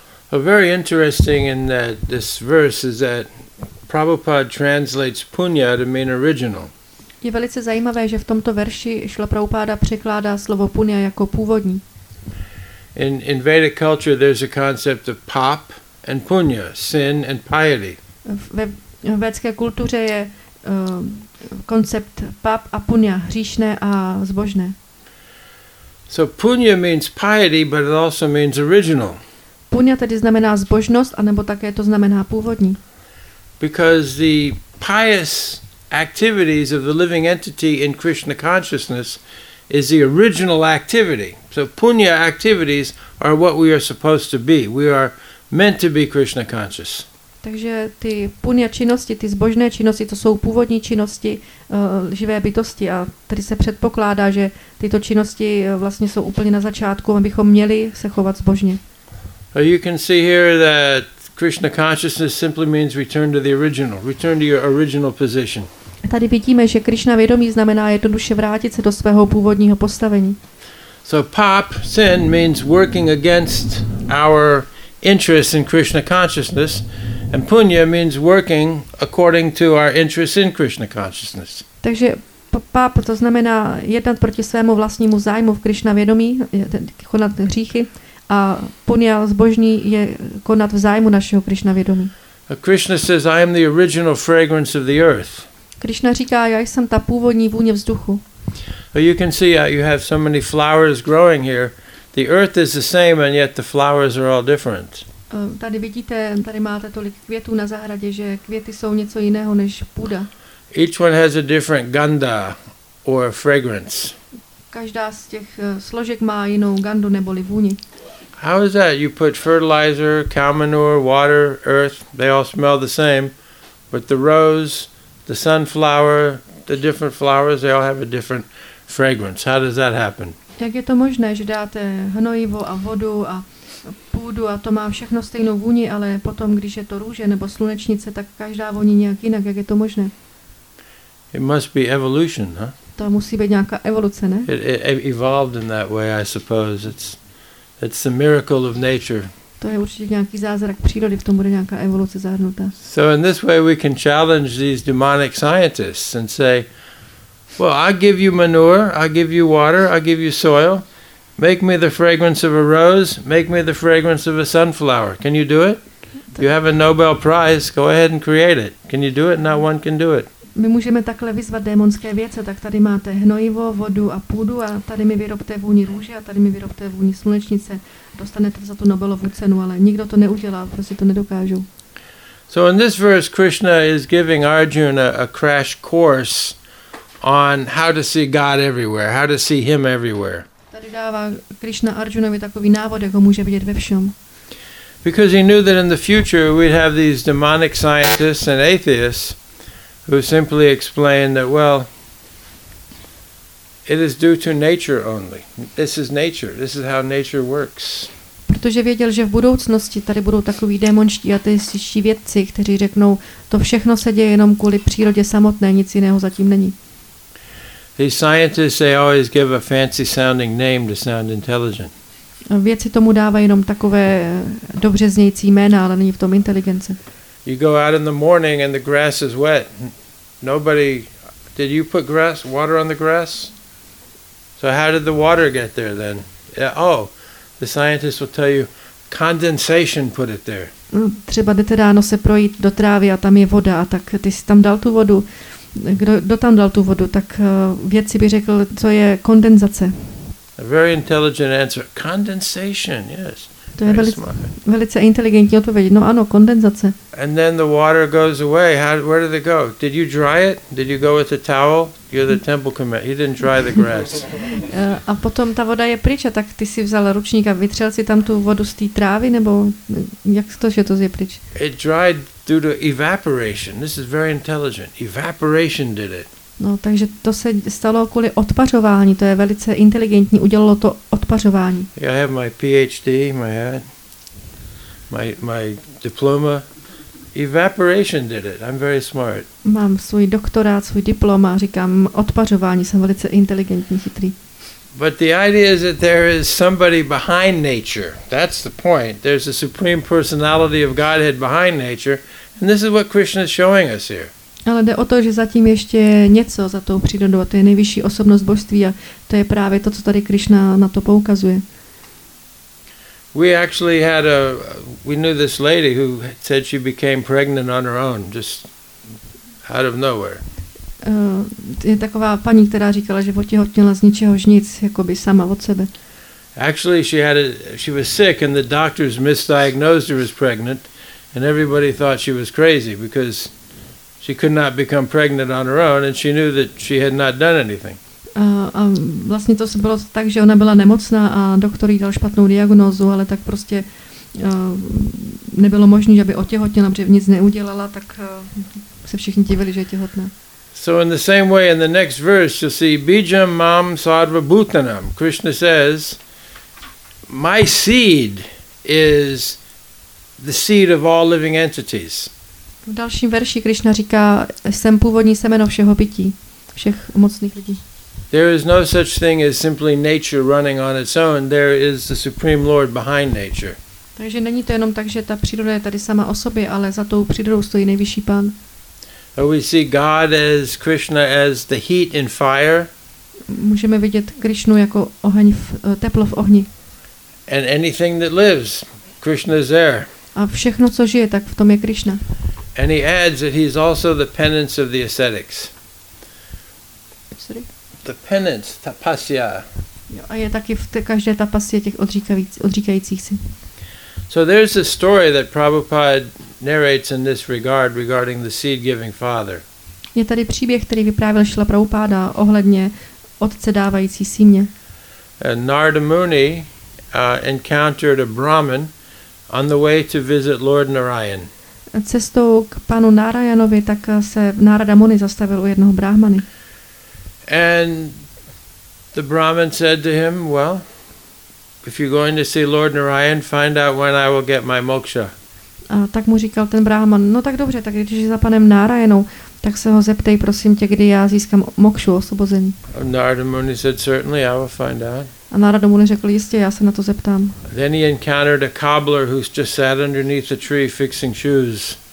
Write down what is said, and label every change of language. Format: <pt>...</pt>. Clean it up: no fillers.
<en>A very interesting in that this verse is that Prabhupada translates punya to mean original.</en> <cs>Je velice zajímavé, že v tomto verši Šrila Prabhupáda překládá slovo punya jako původní.</cs> <en>In Vedic culture there's a concept of pap and punya, sin and piety.</en> <cs>Ve védské kultuře je koncept pap a punya, hříšné a zbožné.</cs> <en>So punya means piety, but it also means original.</en> <cs>Punya tedy znamená zbožnost, anebo také to znamená původní.</cs> <en>Because the pious activities of the living entity in Krishna consciousness is the original activity. So punya activities are what we are supposed to be. We are meant to be Krishna conscious.</en> <cs>Takže ty punya činnosti, ty zbožné činnosti, to jsou původní činnosti živé bytosti a tady se předpokládá, že tyto činnosti vlastně jsou úplně na začátku, abychom měli se chovat zbožně.</cs> <en>You can see here that Krishna consciousness simply means return to the original, return to your original position.</en> <cs>Tady vidíme, že Krishna vědomí znamená jednoduše vrátit se do svého původního postavení.</cs> <en>So pap, sin, means working against our interests in Krishna consciousness, and punya means working according to our interests in Krishna consciousness.</en> <cs>Takže pap to znamená jednat proti svému vlastnímu zájmu v Krishna vědomí, konat hříchy. A punya zbožný je konat v zájmu našeho Krishna vědomí.</cs> <en>Krishna says, I am the original fragrance of the earth.</en> <cs>Krishna říká, já jsem ta původní vůně vzduchu.</cs> <en>You can see you have so many flowers growing here. The earth is the same and yet the flowers are all different.</en> <cs>Tady vidíte, tady máte tolik květů na zahradě, že květy jsou něco jiného než půda.</cs> <en>Each one has a different ganda or fragrance.</en> <cs>Každá z těch složek má jinou gandu neboli vůni.</cs> <en>How is that? You put fertilizer, cow manure, water, earth, they all smell the same. But the rose, the sunflower, the different flowers, they all have a different fragrance. How does that happen?</en> <cs>Jak je to možné, že dáte hnojivo a vodu a půdu a to má všechno stejnou vůni, ale potom, když je to růže nebo slunečnice, tak každá voní nějak jinak. Jak je to možné?</cs> <en>It must be evolution, huh?</en> <cs>To musí být nějaká evoluce, ne?</cs> <en>It evolved in that way, I suppose. It's a miracle of nature.</en> <cs>To je určitě nějaký zázrak přírody, v tom bude nějaká evoluce zahrnutá.</cs> <en>So in this way we can challenge these demonic scientists and say, well, I give you manure, I give you water, I give you soil, make me the fragrance of a rose, make me the fragrance of a sunflower. Can you do it? You have a Nobel Prize, go ahead and create it. Can you do it? Not one can do it.</en> <cs>My můžeme takhle vyzvat démonské věce, tak tady máte hnojivo, vodu a půdu a tady mi vyrobte vůni růže a tady mi vyrobte vůni slunečnice. Dostanete za to Nobelovu cenu, ale nikdo to neudělá, prostě to nedokážu.</cs> <en>So in this verse Krishna is giving Arjuna a crash course on how to see God everywhere, how to see him everywhere.</en> <cs>Tady dává Krishna Arjunovi takový návod, jak ho může vidět ve všem.</cs> <en>Because he knew that in the future we'd have these demonic scientists and atheists who simply explain that, well, it is due to nature only. This is nature. This is how nature works.</en> <cs>Protože věděl, že v budoucnosti tady budou takoví démonští a ateističtí vědci, kteří řeknou, to všechno se děje jenom kvůli přírodě samotné, nic jiného zatím není.</cs> <en>These scientists, they always give a fancy sounding name to sound intelligent.</en> <cs>Vědci tomu dávají jenom takové dobře znějící jména, ale není v tom inteligence.</cs> <en>You go out in the morning and the grass is wet. Nobody, did you put grass, water on the grass? So how did the water get there then? Yeah, oh, the scientist will tell you, condensation put it there.</en> <cs>Třeba jdete ráno se projít do trávy a tam je voda, a tak ty jsi tam dal tu vodu. Kdo tam dal tu vodu? Tak vědci by řekl, co je kondenzace.</cs> <en>A very intelligent answer, condensation, yes.</en> <cs>To je velice inteligentní odpověď. No ano, kondenzace.</cs> <en>And then the water goes away. Where did it go? Did you dry it? Did you go with a towel? You're the temple commander. You didn't dry the grass.</en> <cs>A potom ta voda je pryč, a tak ty si vzal ručník a vytřel si tam tu vodu z té trávy, nebo jak to, že to je pryč?</cs> <en>It dried due to evaporation. This is very intelligent. Evaporation did it.</en> <cs>No, takže to se stalo kvůli odpařování. To je velice inteligentní, udělalo to odpařování.</cs> <en>I have my PhD, my diploma. Evaporation did it. I'm very smart.</en> <cs>Mám svůj doktorát, svůj diplom a říkám, odpařování, jsem velice inteligentní, chytrý.</cs> <en>But the idea is that there is somebody behind nature. That's the point. There's a supreme personality of Godhead behind nature, and this is what Krishna is showing us here.</en> <cs>Ale jde o to, že zatím ještě něco za tou přírodou, a to je nejvyšší osobnost božství, a to je právě to, co tady Krishna na to poukazuje.</cs> <en>We actually had a we knew this lady who said she became pregnant on her own just out of nowhere.</en> <cs>Je taková paní, která říkala, že otěhotněla z ničeho nic, jako by sama od sebe.</cs> <en>Actually she was sick and the doctors misdiagnosed her as pregnant and everybody thought she was crazy because she could not become pregnant on her own and she knew that she had not done anything.</en> <cs>A vlastně to se bylo tak, že ona byla nemocná a doktor jí dal špatnou diagnózu, ale tak prostě nebylo možné, aby otěhotněla, protože nic neudělala, tak se všichni divili, že je těhotná.</cs> <en>So in the same way in the next verse you see</en> <sa>bijam mam sarva bhutanam.</sa> <en>Krishna says my seed is the seed of all living entities.</en> <cs>V dalším verši Krishna říká, jsem původní semeno všeho bytí, všech mocných lidí.</cs> <en>There is no such thing as simply nature running on its own. There is the supreme lord behind nature.</en> <cs>Takže není to jenom tak, že ta příroda je tady sama o sobě, ale za tou přírodou stojí nejvyšší pán.</cs> <en>And we see God as Krishna as the heat in fire.</en> <cs>Můžeme vidět Krishnu jako oheň v teplo v ohni.</cs> <en>And anything that lives, Krishna is there.</en> <cs>A všechno co žije, tak v tom je Krishna.</cs> <en>And he adds that he's also the penance of the ascetics. Sorry. The penance, tapasya.</en> <cs>Jo, a je taky v každé tapasie těch odříkajících si.</cs> <en>So there's a story that Prabhupada narrates in this regarding the seed-giving father.</en> <cs>Je tady příběh, který vyprávěl Šrila Prabhupáda ohledně otce dávající símě.</cs> <en>Narada Muni encountered a Brahmin on the way to visit Lord Narayan.</en> <cs>Cestou k panu Narayanovi tak se Narada Muni zastavil u jednoho Brahmany.</cs> <en>And the Brahmin said to him, well, if you're going to see Lord Narayan, find out when I will get my moksha.</en> <cs>A tak mu říkal ten Brahman, no tak dobře, tak když jsi za panem Narayanou, tak se ho zeptej, prosím tě, kdy já získám mokšu, osvobození.</cs> <en>Narada Muni said, certainly, I will find out.</en> <cs>A Narada Muni řekl, jistě, já se na to zeptám.</cs> <en>Then he encountered a cobbler who's just sat underneath a tree fixing shoes.</en>